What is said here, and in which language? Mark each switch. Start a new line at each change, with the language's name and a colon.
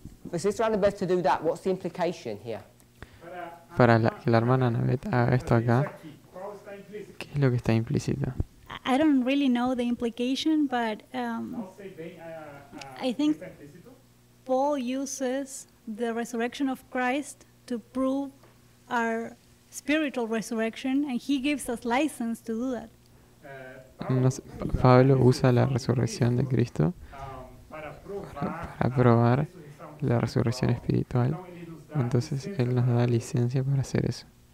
English: For Sister Annabeth to do that, what's the implication here?
Spanish: Para que la hermana Annabeth haga esto acá, ¿qué es lo que está implícito?
English: I don't really know the implication, but I think Paul uses the resurrection of Christ to prove our spiritual resurrection, and he gives us license to do that.
Spanish: Pablo usa la resurrección de Cristo para probar la resurrección espiritual. Entonces él nos da licencia para hacer eso.